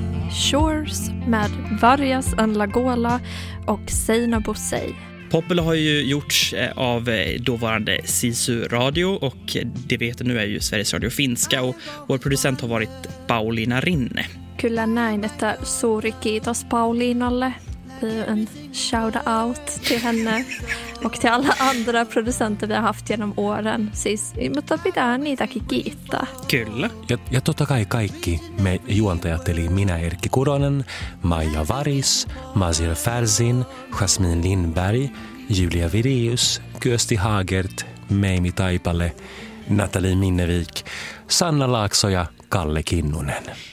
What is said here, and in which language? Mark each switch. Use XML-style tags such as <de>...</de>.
<sv>Shores med Vargas en Lagola och Seina Bosei. Popola har ju gjorts av dåvarande Sisu Radio och det vi heter nu är ju Sveriges Radio Finska och vår producent har varit Paulina Rinne.</sv> <fi>Kyllä näin, että suuri kiitos Paulinalle.</fi> <sv>vi en shout-out till henne och till alla andra producenter vi har haft genom åren.</sv> <fi>Siis, mutta pitää niitä kiittää. Kyllä. Ja totta kai kaikki me juontajat, eli minä Erkki Kuronen, Maija Varis, Mazir Färsin, Jasmin Lindberg, Julia Virius, Kösti Hagert, Meimi Taipale, Nathalie Minnevik, Sanna Laakso ja Kalle Kinnunen.</fi>